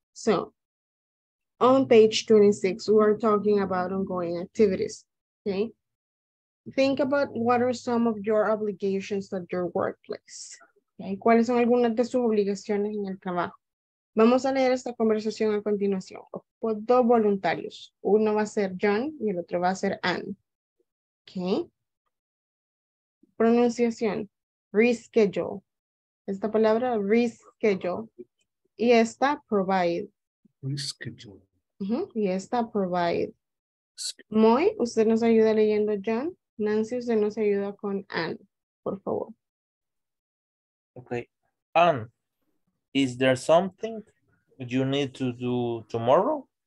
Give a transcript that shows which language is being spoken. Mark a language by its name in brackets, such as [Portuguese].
[English] So, on page 26, we are talking about ongoing activities. Okay, think about what are some of your obligations at your workplace. [Spanish] Okay, ¿cuáles son algunas de sus obligaciones en el trabajo? Vamos a leer esta conversación a continuación. Por 2 voluntarios. Uno va a ser John y el otro va a ser Ann. Okay. Pronunciación. Reschedule. Esta palabra, reschedule. Y esta, provide. [English] Reschedule. [Spanish] Uh-huh. Y esta, provide. Moy, usted nos ayuda leyendo John. Nancy, usted nos ayuda con Ann, por favor. [English] Okay. Ann, is there something you need to do tomorrow?